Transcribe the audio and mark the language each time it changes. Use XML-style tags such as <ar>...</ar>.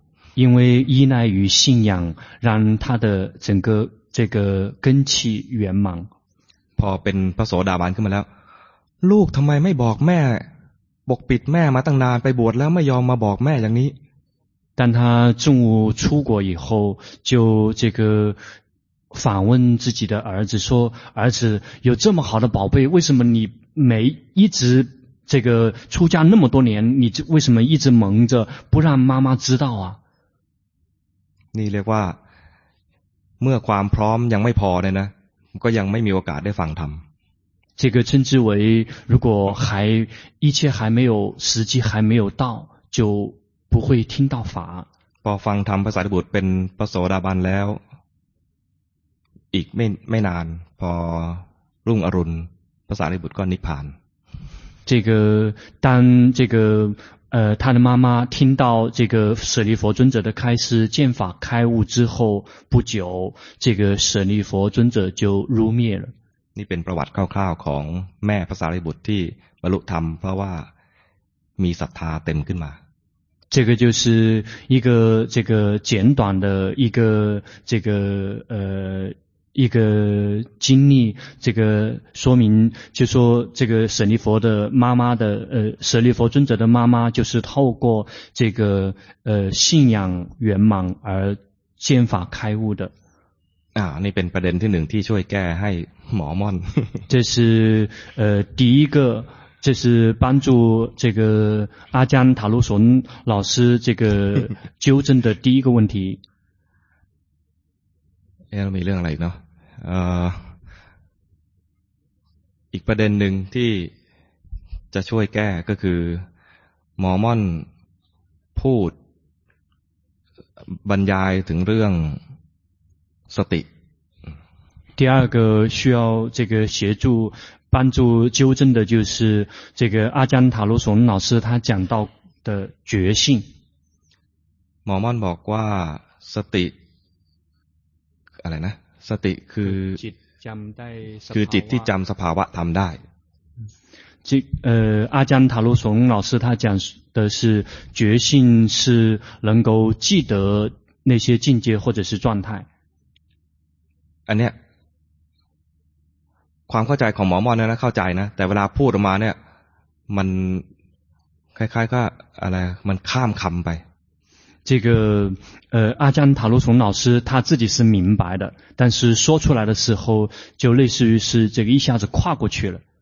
<zh>，因为依赖于信仰，让他的整个这个根气圆满</zh> <th>พอเป็นพระโสดาบันขึ้นมาแล้วลูกทำไมไม่บอกแม่ปกปิดแม่มาตั้งนานไปบวชแล้วไม่ยอมมาบอกแม่อย่างนี้</th> <zh>当他中午出国以后就这个反问自己的儿子说儿子有这么好的宝贝为什么你没一直这个出家那么多年你为什么一直蒙着不让妈妈知道啊</zh> <th>นี่เรียกว่าเมื่อความพร้อมยังไม่พอเนี่ยนะก็ยังไม่มีโอกาสได้ฟังธรรม</th> <zh>这个称之为如果还一切还没有时机还没有到就不会听到法</zh> <th>พอฟังธรรมพระสารีบุตรเป็นพระโสดาบันแล้วอีกไม่นานพอรุ่งอรุณพระสารีบุตรก็นิพพาน</th> <zh>这个当这个他的妈妈听到这个舍利弗尊者的开示见法开悟之后不久这个舍利弗尊者就入灭了</zh> <th>นี่เป็นประวัติคร่าวๆของแม่พระสารีบุตรที่บรรลุธรรมเพราะว่ามีศรัทธาเต็มขึ้นมา</th> <zh>这个就是一个这个简短的一个这个一个经历这个说明就说这个舍利弗的妈妈的舍利弗尊者的妈妈就是透过这个信仰圆满而见法开悟的</zh> <th>นี่เป็นประเด็นที่หนึ่งที่ช่วยแก้ให้หมอม่อน</th> <zh>这是第一个这是帮助这个阿姜塔鲁松老师这个纠正的第一个问题</zh> <th>แล้วมีเรื่องอะไรอีกเนาะอีกประเด็นหนึ่งที่จะช่วยแก้ก็คือหมอม่อนพูดบรรยายถึงเรื่องสติ</th> <zh>第二个需要这个协助帮助纠正的就是这个阿姜塔鲁松老师他讲到的觉性</zh> <th>หมอม่อนบอกว่าสติอะไรนะสติคือ จิตจำได้ คือจิตที่จำสภาวะทำได้ จิอาจารย์</th> <zh>塔鲁松老师他讲的是觉性是能够记得那些境界或者是状态</zh> <th>อันเนี้ยความเข้าใจของหมอมอนเนี่ยนะเข้าใจนะแต่เวลาพูดออกมาเนี่ยมันคล้ายๆก็อะไรมันข้ามคำไป</th> <zh>这个阿姜塔鲁松老师他自己是明白的但是说出来的时候就类似于是这个一下子跨过去了</zh>